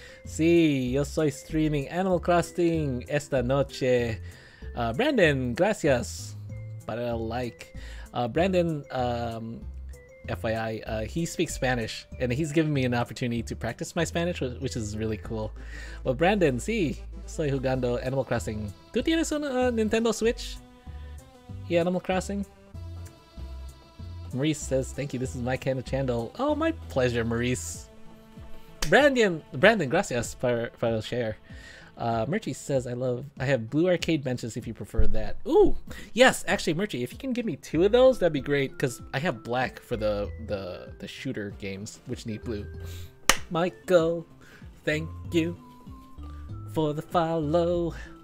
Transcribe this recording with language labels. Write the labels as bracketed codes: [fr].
[es] Sí, yo soy streaming Animal Crossing esta noche. Brandon, gracias. Para el like. [en] Brandon, FYI, he speaks Spanish, and he's given me an opportunity to practice my Spanish, which is really cool. [es] Well, Brandon, sí, soy jugando Animal Crossing. ¿Tú tienes un Nintendo Switch? ¿Y Animal Crossing? [en] Maurice says, thank you, this is my kind of channel. Oh, my pleasure, Maurice. [es] Brandon, gracias por el share. [en] Murchie says, I have blue arcade benches if you prefer that. Ooh, yes, actually, Murchie, if you can give me two of those, that'd be great, because I have black for the shooter games, which need blue. Michael, thank you for the follow.